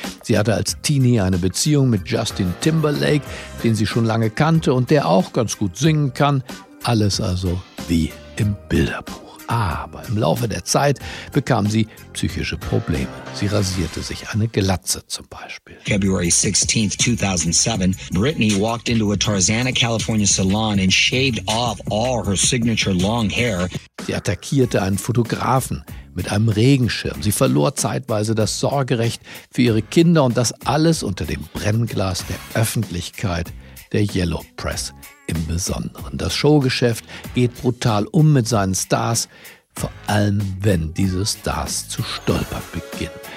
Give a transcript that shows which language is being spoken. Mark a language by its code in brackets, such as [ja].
[de] Sie hatte als Teenie eine Beziehung mit Justin Timberlake, den sie schon lange kannte und der auch ganz gut singen kann. Alles also wie im Bilderbuch. Aber im Laufe der Zeit bekam sie psychische Probleme. Sie rasierte sich eine Glatze zum Beispiel. [en] February 16th, 2007, Britney walked into a Tarzana, California salon and shaved off all her signature long hair. [de] Sie attackierte einen Fotografen mit einem Regenschirm. Sie verlor zeitweise das Sorgerecht für ihre Kinder und das alles unter dem Brennglas der Öffentlichkeit, der Yellow Press. Im Besonderen. Das Showgeschäft geht brutal um mit seinen Stars, vor allem wenn diese Stars zu stolpern beginnen.